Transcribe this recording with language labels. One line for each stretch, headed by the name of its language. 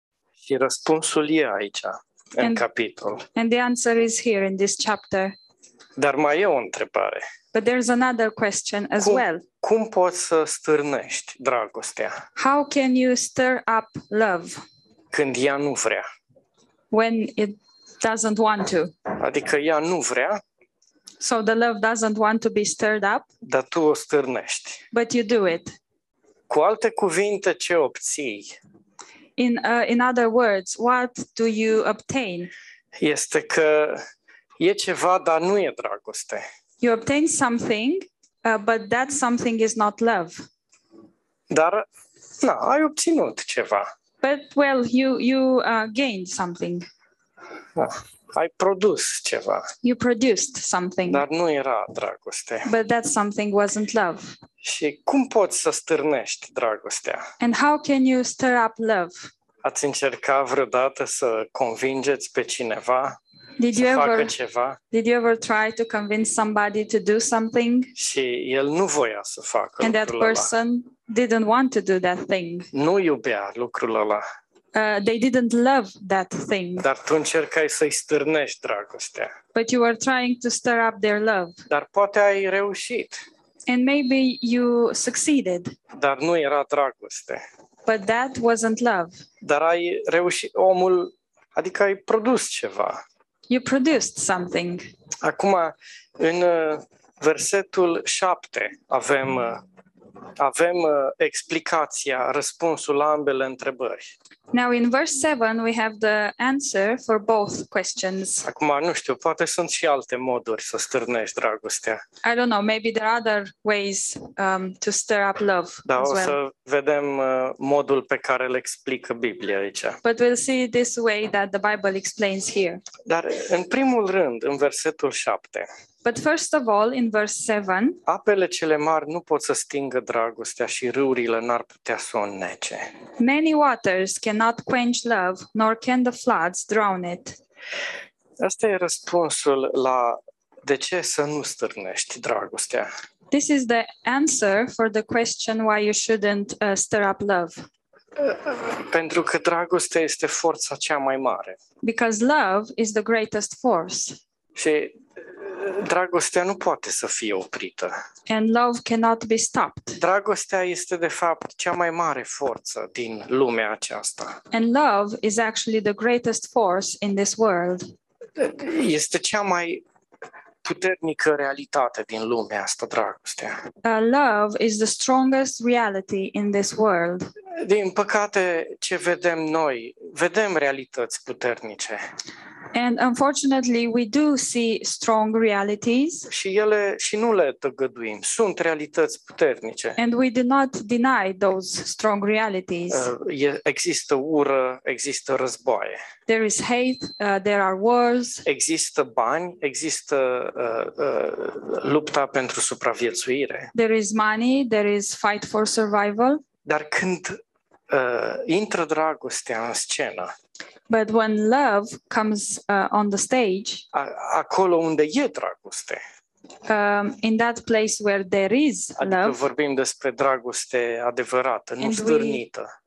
Romanian: Și răspunsul e aici, în capitol.
English: And the answer is here in this chapter.
Romanian: Dar mai e o întrebare.
English: But there's another question as well.
Romanian: Cum poți să stârnești dragostea?
English: How can you stir up love?
Romanian: Când ea nu vrea.
English: When it doesn't want to.
Romanian: Adică ea nu vrea.
English: So the love doesn't want to be stirred up.
Romanian: Dar tu o stârnești.
English: But you do it.
Romanian: Cu alte cuvinte, ce obții?
English: In other words, what do you obtain?
Romanian: Este că e ceva, dar nu e dragoste.
English: You obtain something, but that something is not love.
Romanian: Dar, na, ai obținut ceva.
English: But, well, you gained something.
Romanian: Ai produs ceva.
English: You produced something.
Romanian: Dar nu era dragoste.
English: But that something wasn't love.
Romanian: Și cum poți să stârnești dragostea?
English: And how can you stir up love?
Romanian: Ați încercat vreodată să convingeți pe cineva?
English: Did you ever try to convince somebody to do something?
Romanian: Și el nu voia să facă.
English: And that person didn't want to do that thing.
Romanian: Nu iubea lucrul ăla.
English: They didn't love that thing.
Romanian: Dar tu încercai să-i stârnești dragostea.
English: But you were trying to stir up their love.
Romanian: Dar poate ai reușit.
English: And maybe you succeeded.
Romanian: Dar nu era dragoste.
English: But that wasn't love.
Romanian: Dar ai reușit, omul, adică ai produs ceva.
English: You produced something.
Romanian: Acum, în versetul 7 avem explicația, răspunsul la ambele întrebări.
English: Now in verse 7 we have the answer for both questions.
Romanian: Acum nu știu, poate sunt și alte moduri să stârnești dragostea.
English: I don't know, maybe there are other ways to stir up love.
Romanian: Da,
English: as well.
Romanian: O să vedem modul pe care îl explică Biblia aici.
English: But we'll see this way that the Bible explains here.
Romanian: Dar în primul rând, în versetul 7.
English: But first of all in verse 7.
Romanian: Apele cele mari nu pot să stingă dragostea și râurile n-ar putea să o înnece.
English: Many waters cannot quench love, nor can the floods drown it.
Romanian: Asta e răspunsul la de ce să nu stârnești dragostea.
English: This is the answer for the question why you shouldn't stir up love.
Romanian: Pentru că dragostea este forța cea mai mare.
English: Because love is the greatest force.
Romanian: Și dragostea nu poate să fie oprită.
English: And love cannot be stopped.
Romanian: Dragostea este de fapt cea mai mare forță din lumea aceasta.
English: And love is actually the greatest force in this world.
Romanian: Este cea mai puternică realitate din lumea asta, dragostea.
English: Love is the strongest reality in this world.
Romanian: Din păcate, ce vedem noi, vedem realități puternice.
English: And unfortunately, we do see strong realities.
Romanian: Și ele și nu le tăgăduim. Sunt realități puternice.
English: And we do not deny those strong realities.
Romanian: Există ură, există războaie.
English: There is hate, there are wars.
Romanian: Există bani, există lupta pentru supraviețuire.
English: There is money, there is fight for survival.
Romanian: Dar când intră dragostea în scenă.
English: But when love comes on the stage,
Romanian: acolo unde e dragoste.
English: In that place where there is love.
Romanian: Adică vorbim despre dragoste adevărată, nu stârnită.